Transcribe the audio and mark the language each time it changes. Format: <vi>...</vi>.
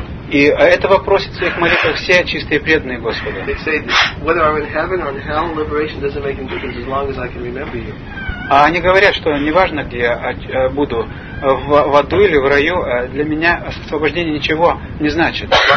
<ru>И этого просит в своих молитвах все чистые преданные Господа.</ru> <en>They say whether I'm in heaven or in hell, liberation doesn't make any difference as long as I can remember you.</en> <ru>А они говорят, что неважно, где я буду, в аду или в раю, для меня освобождение ничего не значит.</ru>